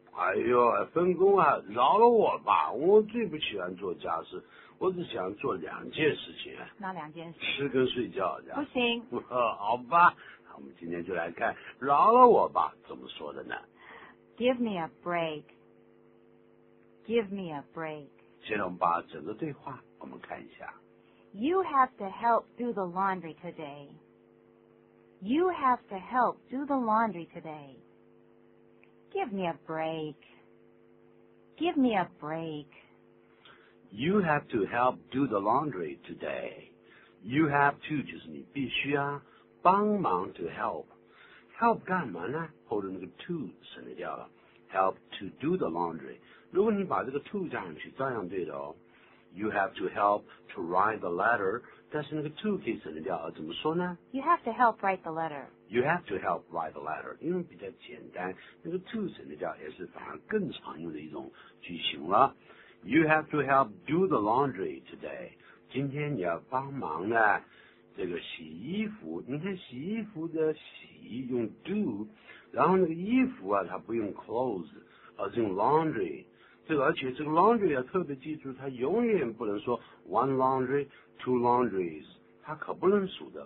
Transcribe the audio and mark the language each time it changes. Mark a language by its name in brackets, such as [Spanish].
[Chinese] 哎呦，分工啊，饶了我吧，我最不喜欢做家事，我只想做两件事情。哪两件事？吃跟睡觉，这样不行。好吧，我们今天就来看饶了我吧怎么说的呢。 [English] Give me a break. Give me a break. [Chinese] 现在我们把整个对话我们看一下。 [English] You have to help do the laundry today. You have to help do the laundry today. Give me a break. Give me a break. You have to help do the laundry today. You have to [Chinese] 就是你必须啊，帮忙 [English] to help. [Chinese] Help 干嘛呢？后头那个 to 省略掉了。 [English] Help to do the laundry. [Chinese] 如果你把这个 to 加上去，照样对的哦。 [English] You have to help to write the letter. [Chinese] 但是那个 to 可以省掉啊，怎么说呢？ [English] You have to help write the letter. You have to help write the letter. [Chinese] 因为比较简单，那个 to 省掉也是反而更常用的一种句型了。 [English] You have to help do the laundry today. [Chinese] 今天你要帮忙呢，这个洗衣服。你看洗衣服的洗用 do。然后那个衣服啊，它不用 clothes， 而是用 laundry。这个而且这个 laundry 要特别记住，它永远不能说 [English] one laundry， two laundries， [Chinese] 它可不能数的。